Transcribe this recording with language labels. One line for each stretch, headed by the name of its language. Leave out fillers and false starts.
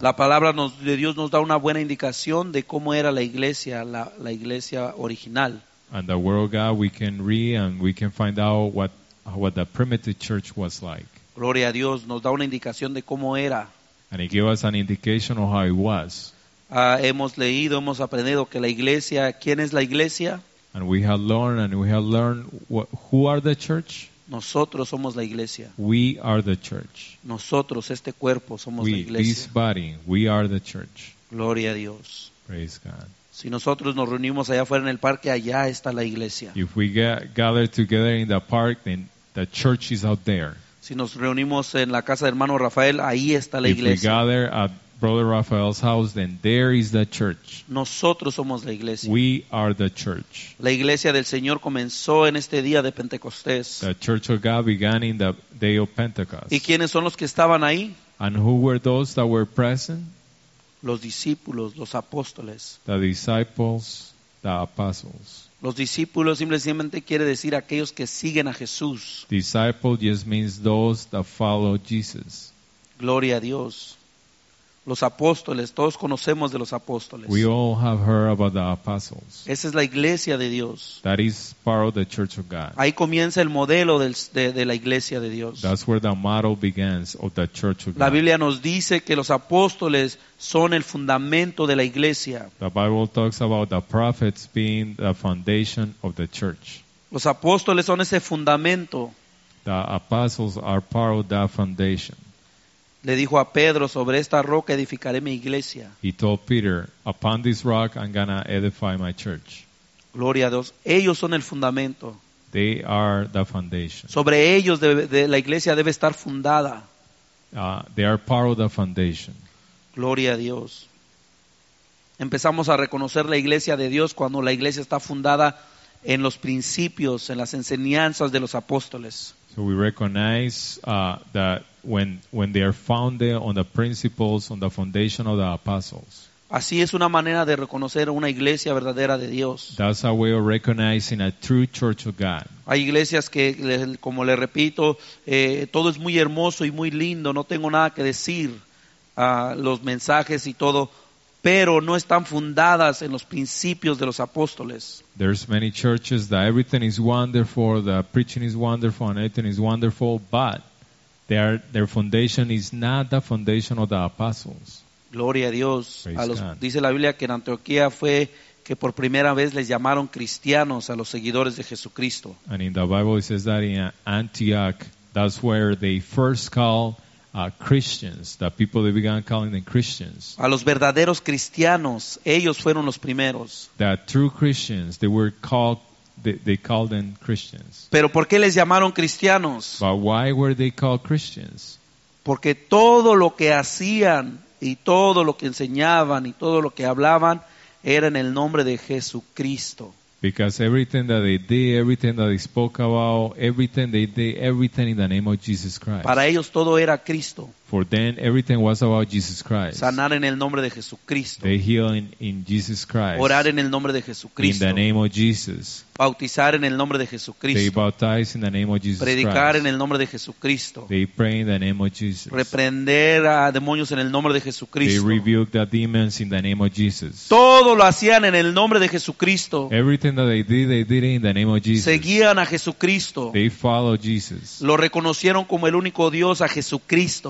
Spanish: La palabra de Dios nos da una buena indicación de cómo era la iglesia original.
English: And the word of God, we can read and we can find out what the primitive church was like.
Spanish: Gloria a Dios, nos da una indicación de cómo era.
English: And it gives us an indication of how it was.
Spanish: Hemos leído, hemos aprendido que la iglesia, ¿quién es la iglesia?
English: And we have learned who are the church?
Spanish: Nosotros somos la iglesia.
English: We are the church.
Spanish: Nosotros, este cuerpo, somos la iglesia.
English: This body, we are the church.
Spanish: Gloria a Dios.
English: Praise God.
Spanish: Si nosotros nos reunimos allá afuera en el parque, allá está la iglesia.
English: If we gather together in the park, then the church is out there.
Spanish: Si nos reunimos en la casa del hermano Rafael, ahí está la iglesia.
English: If we gather at Brother Raphael's house, then there is the church.
Spanish: Nosotros somos la iglesia.
English: We are the church.
Spanish: La iglesia del Señor comenzó en este día de Pentecostés.
English: The church of God began in the day of Pentecost.
Spanish: ¿Y quiénes son los que estaban ahí?
English: And who were those that were present?
Spanish: Los discípulos, los apóstoles.
English: The disciples, the apostles.
Spanish: Los discípulos simplemente quiere decir aquellos que siguen a Jesús.
English: Disciple just means those that follow Jesus.
Spanish: Gloria a Dios. Los apóstoles, todos conocemos de los apóstoles.
English: We all have heard about the apostles.
Spanish: Esa es la iglesia de Dios.
English: That is part of the church of God.
Spanish: Ahí comienza el modelo de la iglesia de Dios.
English: That's where the model begins of the church of God.
Spanish: La Biblia nos dice que los apóstoles son el fundamento de la iglesia.
English: The Bible talks about the prophets being the foundation of the church.
Spanish: Los apóstoles son ese fundamento.
English: The apostles are part of that foundation.
Spanish: Le dijo a Pedro, sobre esta roca edificaré mi iglesia.
English: He told Peter, upon this rock I'm gonna edify my church.
Spanish: Gloria a Dios. Ellos son el fundamento.
English: They are the foundation.
Spanish: Sobre ellos la iglesia debe estar fundada.
English: They are part of the foundation.
Spanish: Gloria a Dios. Empezamos a reconocer la iglesia de Dios cuando la iglesia está fundada en los principios, en las enseñanzas de los apóstoles.
English: So we recognize that when they are founded on the principles, on the foundation of the apostles.
Spanish: Así es una manera de reconocer una iglesia verdadera de Dios.
English: That's a way of recognizing a true church of God.
Spanish: Hay iglesias que, como le repito, todo es muy hermoso y muy lindo, no tengo nada que decir a los mensajes y todo, pero no están fundadas en los principios de los apóstoles.
English: There's many churches that everything is wonderful, the preaching is wonderful, and everything is wonderful, but their foundation is not the foundation of the apostles.
Spanish: Gloria a Dios.
English: Praise a los, God.
Spanish: Dice la Biblia que en Antioquía fue que por primera vez les llamaron cristianos a los seguidores de Jesucristo.
English: And in the Bible it says that in Antioch, that's where they first called Christians, the people that began calling them Christians.
Spanish: A los verdaderos cristianos, ellos fueron los primeros.
English: The true Christians, they called them Christians.
Spanish: Pero ¿por qué les llamaron cristianos?
English: But why were they called Christians?
Spanish: Porque todo lo que hacían y todo lo que enseñaban y todo lo que hablaban era en el nombre de Jesucristo.
English: Because everything that they did, everything that they spoke about, everything they did, everything in the name of Jesus Christ.
Spanish: Para ellos todo era Cristo.
English: For them, everything was about Jesus Christ.
Spanish: Sanar en el nombre de Jesucristo.
English: They healed in Jesus Christ.
Spanish: Orar en el nombre de Jesucristo.
English: In the name of Jesus.
Spanish: Bautizar en el nombre de Jesucristo.
English: They baptized in the name of Jesus
Spanish: Predicar
English: Christ.
Spanish: Predicar en el nombre de Jesucristo.
English: They pray in the name of Jesus.
Spanish: Reprender a demonios en el nombre de Jesucristo.
English: They rebuke the demons in the name of Jesus.
Spanish: Todo lo hacían en el nombre de Jesucristo.
English: Everything that they did it in the name of Jesus.
Spanish: Seguían a Jesucristo.
English: They followed Jesus.
Spanish: Lo reconocieron como el único Dios a Jesucristo.